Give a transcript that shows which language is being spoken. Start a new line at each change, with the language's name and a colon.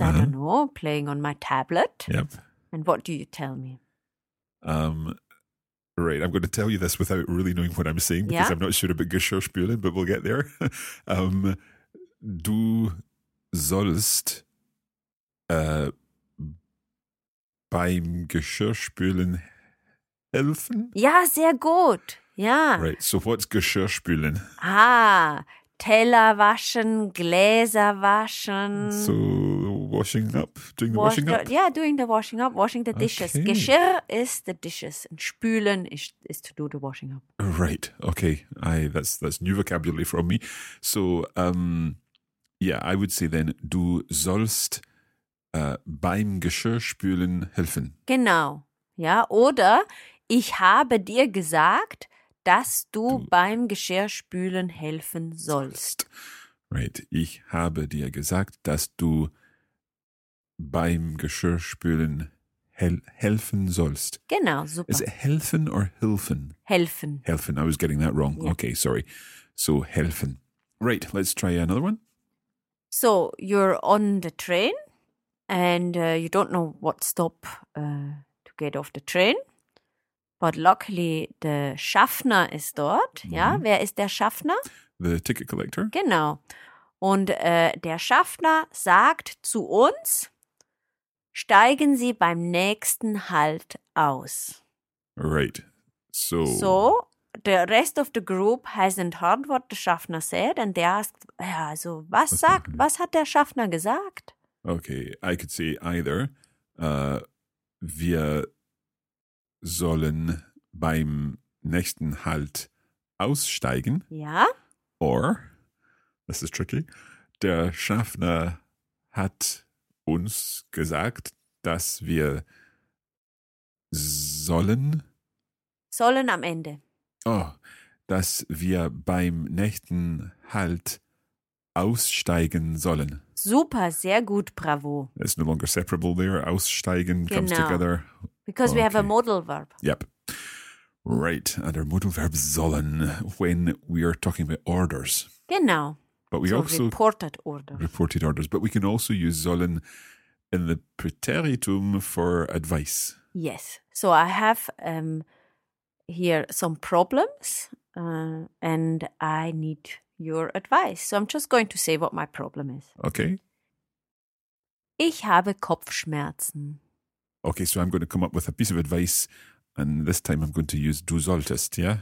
English: Uh-huh. I don't know, playing on my tablet. Yep. And what do you tell me? Right, I'm going to tell you this without really knowing what I'm saying because I'm not sure about Geschirrspülen, but we'll get there.
German: du sollst beim Geschirrspülen helfen? Ja, sehr gut. Ja.
English: Right, so what's Geschirrspülen?
German: Teller waschen, Gläser waschen.
English: So washing up, doing the washing up? Yeah, doing the washing up, washing the dishes. Okay. Geschirr is the dishes and spülen is to do the washing up. Right, okay. That's new vocabulary from me. So, I would say then,
German: du sollst beim Geschirrspülen helfen. Genau, ja. Oder ich habe dir gesagt, dass du beim Geschirrspülen helfen sollst.
English: Right.
German: Ich habe dir gesagt, dass du beim Geschirrspülen helfen sollst. Genau, super.
English: Is it helfen or hilfen?
German: Helfen. Helfen.
English: I was getting that wrong. Yeah. Okay, sorry. So, helfen. Right, let's try another one. So, you're on the train and you don't know what stop to get off the train. But luckily, the
German: Schaffner ist dort. Mm-hmm. Ja, wer ist der Schaffner?
English: The ticket collector.
German: Genau. Und der Schaffner sagt zu uns, steigen Sie beim nächsten Halt aus.
English: Right. So. So, the rest of the group hasn't heard what the Schaffner said. And they asked,
German: ja, also, was hat der Schaffner gesagt?
English: Okay, I could say either.
German: Wir sollen beim nächsten Halt aussteigen. Ja.
English: Or, this is tricky,
German: der Schaffner hat uns gesagt, dass wir sollen am Ende. Oh, dass wir beim nächsten Halt aussteigen sollen. Super, sehr gut, bravo.
English: It's no longer separable there. Aussteigen comes together. Because we have a modal verb. Yep. Right. And our modal verb sollen when we are talking about orders.
German: Genau.
English: But we also reported orders. Reported orders. But we can also use sollen in the preteritum for advice. Yes. So I have here some problems and I need your advice. So I'm just going to say what my problem is. Okay.
German: Ich habe Kopfschmerzen.
English: Okay, so I'm going to come up with a piece of advice and this time I'm going to use du solltest, ja?